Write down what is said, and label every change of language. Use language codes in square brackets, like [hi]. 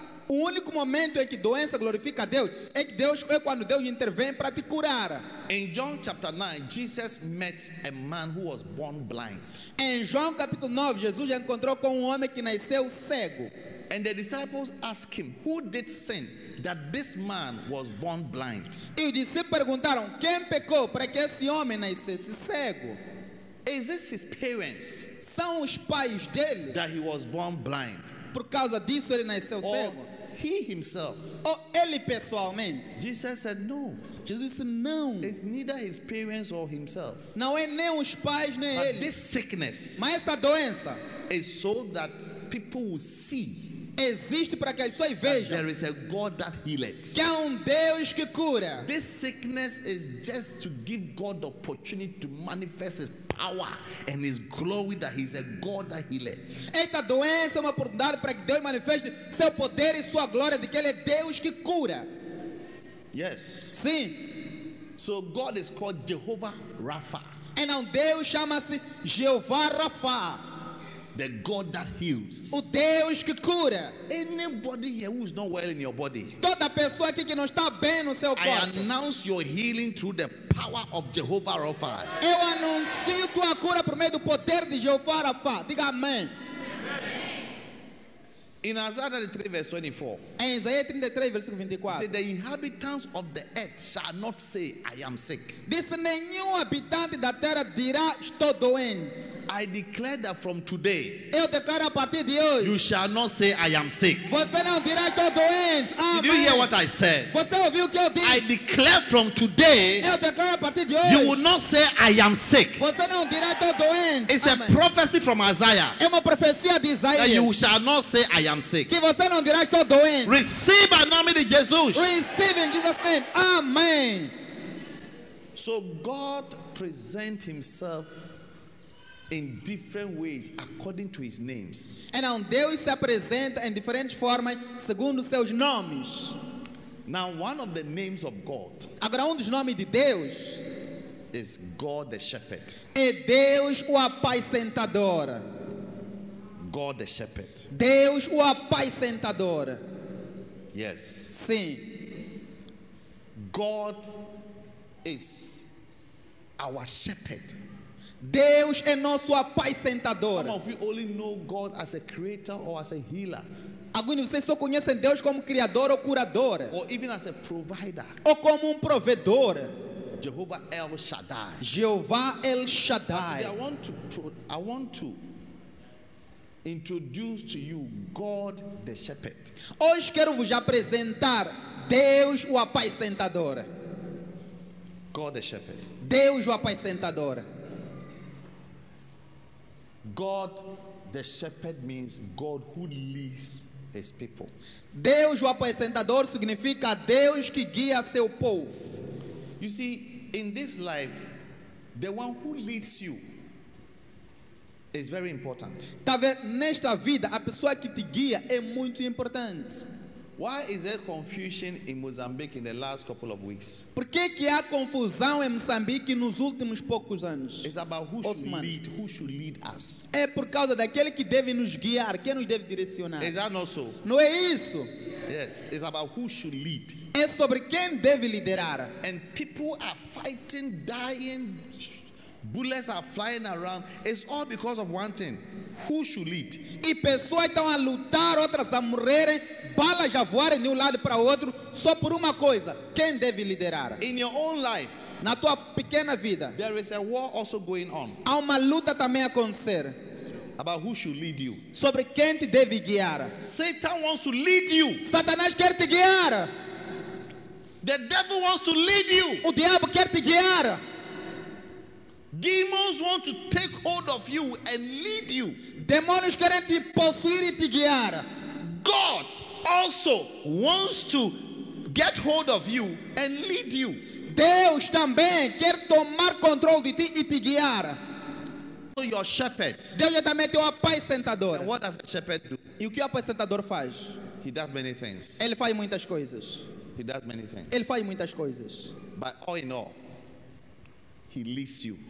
[pt] O único momento em que doença glorifica a Deus é que Deus é quando Deus intervém para te curar. [en] In John chapter 9, Jesus met a man who was born blind. [pt] Em João capítulo 9, Jesus encontrou com homem que nasceu cego. [en] And the disciples asked him, "Who did sin that this man was born blind?" [pt] E os discípulos perguntaram, quem pecou para que esse homem nascesse cego? [en] Is this his parents? [pt] São os pais dele? [en] That he was born blind. [pt] Por causa disso ele nasceu cego? [en] Or he himself? [pt] Ou ele pessoalmente? [en] Jesus said no. [pt] Jesus disse não. [en] It's neither his parents or himself. [pt] Não é nem os pais nem [en] but [pt] ele. [en] This sickness. [pt] Mas esta doença. [en] Is so that people will see. [pt] Existe para que as pessoas vejam. [en] There is a God that healeth. [pt] Que há Deus que cura. [en] This sickness is just to give God the opportunity to manifest his power and his glory that he's a God that healeth. [pt] Esta doença é uma oportunidade para que Deus manifeste seu poder e sua glória de que ele é Deus que cura. [en] Yes. [pt] Sim. [en] So God is called Jehovah Rapha. [pt] E não Deus chama-se Jeová Rapha. [en] The God that heals. [pt] O Deus que cura. [en] Anybody here who is not well in your body. [pt] Toda pessoa aqui que não está bem no seu corpo. [en] I announce your healing through the power of Jehovah Rapha. [pt] Eu anuncio tua cura por meio do poder de Jeová Rapha. Diga amém. [en] In Isaiah 33, verse 24. [pt] Em Isaías 33, versículo 24. [en] Say, the inhabitants of the earth shall not say, I am sick. [pt] Disse, nenhum habitante da terra dirá, estou doente. [en] I declare that from today. [pt] Eu declaro a partir de hoje. [en] You shall not say, I am sick. [pt] Você não dirá, estou doente. Amém. [en] Did you hear what I said? [pt] Você ouviu o que eu disse? [en] I declare from today. [pt] Eu declaro a partir de hoje. [en] You will not say, I am sick. [pt] Você não dirá, estou doente. [en] It's a prophecy from Isaiah. [pt] É uma profecia de Isaías. [en] That you shall not say, I am sick. [pt] Que você não dirá, estou doente. [en] Receive in the name of Jesus. Receive in Jesus' name. Amen. So God presents Himself in different ways according to His names. [pt] Então Deus se apresenta em diferentes formas segundo seus nomes. [en] Now one of the names of God. [pt] Agora dos nomes de Deus. [en] Is God the Shepherd. [pt] É Deus o apacentador. [en] God the Shepherd. [pt] Deus o apacentador. [en] Yes. [pt] Sim. [en] God is our shepherd. [pt] Deus é nosso apacentador. [en] Some of you only know God as a creator or as a healer. [pt] Alguns de vocês só conhecem Deus como criador ou curador. [en] Or even as a provider. [pt] Ou como provedor. [en] Jehovah El Shaddai. [pt] Jeová El Shaddai. [en] Today I want to introduce to you God the Shepherd. [pt] Hoje quero vos apresentar Deus o apacentador. [en] God the Shepherd. [pt] Deus o apacentador. [en] God the Shepherd means God who leads His people. [pt] Deus o apacentador significa Deus que guia seu povo. [en] You see, in this life, the one who leads you. It's very important. [pt] Tá vendo? Nesta vida, a pessoa que te guia é muito importante. [en] Why is there confusion in Mozambique in the last couple of weeks? [pt] Por que que há confusão em Moçambique nos últimos poucos anos? [en] It's about who should Osman. Lead, who should lead us. [pt] É por causa daquele que deve nos guiar, quem nos deve direcionar. [en] Is that not so? [pt] Não é isso? [en] Yes, it's about who should lead. [pt] É sobre quem deve liderar. [en] And people are fighting, dying. Bullets are flying around. It's all because of one thing. Who should lead? [pt] E pessoas estão a lutar, outras a morrerem, balas a voarem de lado para o outro, só por uma coisa. Quem deve liderar? [en] In your own life. [pt] Na tua pequena vida. [en] There is a war also going on. [pt] Há uma luta também a acontecer. [en] About who should lead you. [pt] Sobre quem te deve guiar. [en] Satan wants to lead you. [pt] Satanás quer te guiar. [en] The devil wants to lead you. [pt] O diabo quer te guiar. [en] Demons want to take hold of you and lead you. [pt] Demônios querem te possuir e te guiar. [en] God also wants to get hold of you and lead you. [pt] Deus também quer tomar controle de ti e te guiar. [en] So your shepherd. [pt] Deus é também teu apacentador. [en] And what does a shepherd do? [pt] E o que o apacentador faz? [en] He does many things. [pt] Ele faz muitas coisas. [en] He does many things. [pt] Ele faz muitas coisas. [en] But all in all, He leads you.